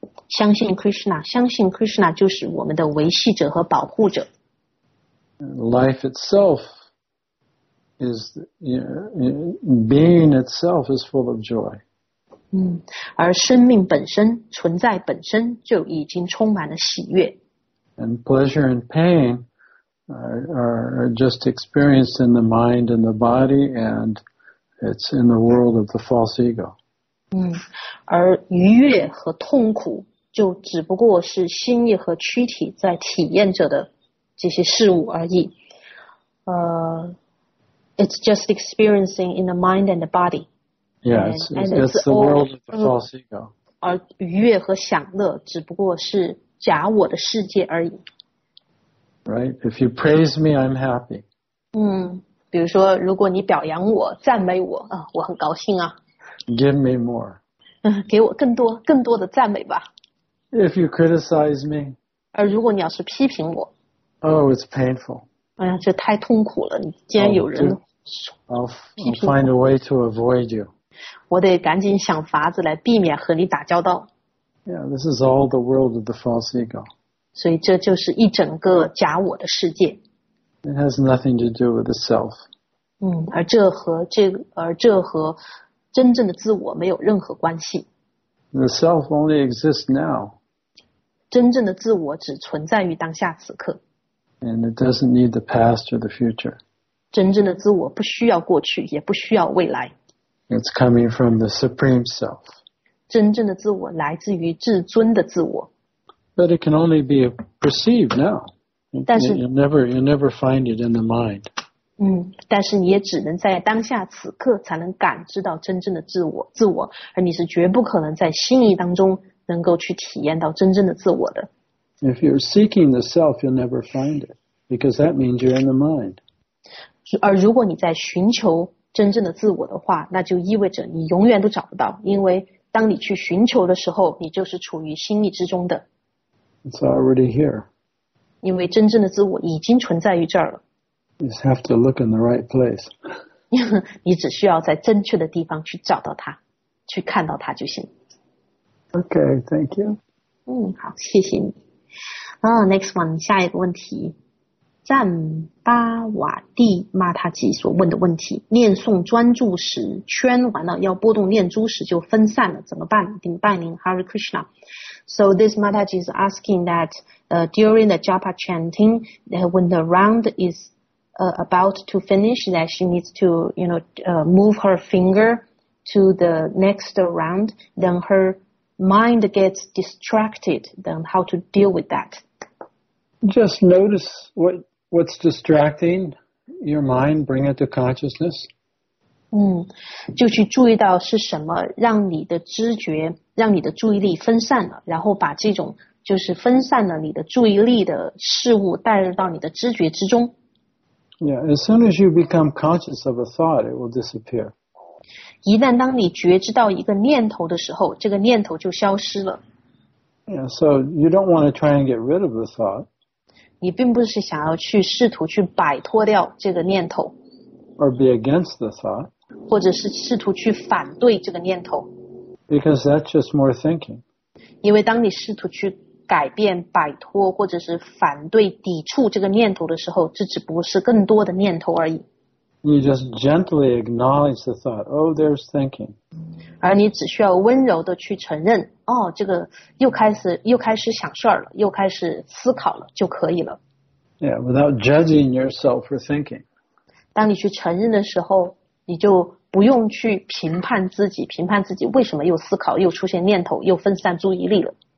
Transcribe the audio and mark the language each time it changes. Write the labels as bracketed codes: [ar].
[zh] 相信 Krishna, 相信 Krishna 就是我们的维系者和保护者。 [en] Life itself is, being itself is full of joy. [zh] 而生命本身、存在本身就已经充满了喜悦。 [en] And pleasure and pain are just experienced in the mind and the body, and it's in the world of the false ego. [zh] 而愉悦和痛苦就只不过是心意和躯体在体验着的这些事物而已。 [en] It's just experiencing in the mind and the body. Yeah, it's the world of the false ego. [zh] 而愉悦和享乐只不过是假我的世界而已。 [en] Right, if you praise me, I'm happy. [zh] 比如说如果你表扬我赞美我我很高兴啊。 [en] Give me more. [zh] 给我更多更多的赞美吧。 [en] If you criticize me. [zh] 而如果你要是批评我。 [en] Oh, it's painful. [zh] 哎呀这太痛苦了你既然有人批评我。 [en] I'll find a way to avoid you. [zh] 我得赶紧想法子来避免和你打交道。 [en] Yeah, this is all the world of the false ego. [zh] 所以这就是一整个假我的世界。 [en] It has nothing to do with the self. [zh] 而这和这个、而这和真正的自我没有任何关系。 [en] The self only exists now. [zh] 真正的自我只存在于当下此刻。 [en] And it doesn't need the past or the future. [zh] 真正的自我不需要过去，也不需要未来。 [en] It's coming from the supreme self. [zh] 真正的自我来自于至尊的自我。 [en] But it can only be perceived now. [zh] 但是 [en] you'll never find it in the mind. [zh] 但是你也只能在当下此刻才能感知到真正的自我，而你是绝不可能在心意当中能够去体验到真正的自我的。 [en] If you're seeking the self, you'll never find it, because that means you're in the mind. [zh] 而如果你在寻求真正的自我的话，那就意味着你永远都找不到，因为当你去寻求的时候，你就是处于心意之中的。 [en] It's already here. [zh] 因为真正的自我已经存在于这儿了。 [en] You just have to look in the right place. [zh] 你只需要在正确的地方去找到它，去看到它就行。 [en] Okay, thank you. [zh] 好，谢谢你。 [en] Next one, [zh] 下一个问题。赞巴瓦蒂玛塔吉所问的问题，念诵专注时圈完了，要拨动念珠时就分散了，怎么办？怎么办？您 Hare Krishna. [en] So this Mataji is asking that during the japa chanting, when the round is about to finish, that she needs to move her finger to the next round, then her mind gets distracted. Then how to deal with that? Just notice what's distracting your mind, bring it to consciousness. [zh] 就去注意到是什么让你的知觉让你的注意力分散了，然后把这种就是分散了你的注意力的事物带入到你的知觉之中。 [en] Yeah, as soon as you become conscious of a thought, it will disappear. [zh] 一旦当你觉知到一个念头的时候，这个念头就消失了。 [en] Yeah, so you don't want to try and get rid of the thought. [zh] 你并不是想要去试图去摆脱掉这个念头 [en] or be against the thought, [zh] 或者是试图去反对这个念头 [en] because that's just more thinking. [zh] 因为当你试图去改变摆脱或者是反对抵触这个念头的时候，这只不过是更多的念头而已。 [en] You just gently acknowledge the thought, oh, there's thinking. [zh] 而你只需要温柔地去承认哦，这个又开始想事儿了，又开始思考了，就可以了。 [en] Yeah, without judging yourself for thinking. [zh] 当你去承认的时候，你就不用去评判自己，评判自己为什么又思考，又出现念头，又分散注意力了。